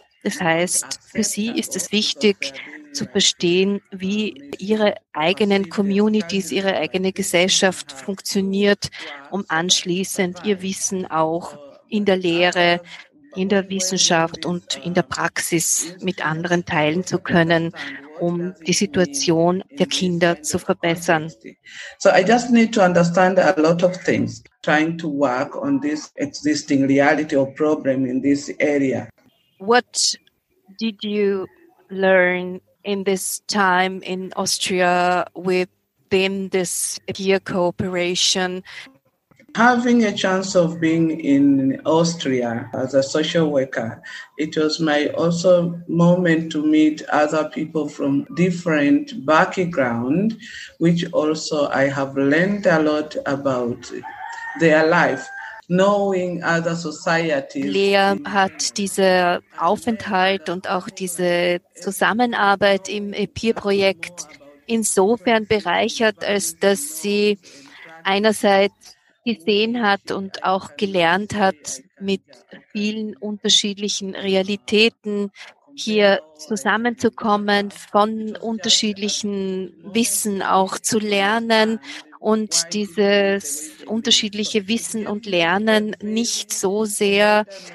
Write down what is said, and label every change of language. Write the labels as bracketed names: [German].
[German] Das heißt, für Sie ist es wichtig zu verstehen, wie Ihre eigenen Communities, Ihre eigene Gesellschaft funktioniert, um anschließend Ihr Wissen auch in der Lehre, in der Wissenschaft und in der Praxis mit anderen teilen zu können, um die Situation der Kinder zu verbessern. [English] So I just need to understand a lot of things, trying to work on this existing reality or problem in this area. What did you learn in this time in Austria within this peer cooperation? Having a chance of being in Austria as a social worker, it was my also moment to meet other people from different background, which also I have learned a lot about their life, knowing other societies. [German] Lea hat diese Aufenthalt und auch diese Zusammenarbeit im EPIR-Projekt insofern bereichert, als dass sie einerseits gesehen hat und auch gelernt hat, mit vielen unterschiedlichen Realitäten hier zusammenzukommen, von unterschiedlichen Wissen auch zu lernen und dieses unterschiedliche Wissen und Lernen nicht so sehr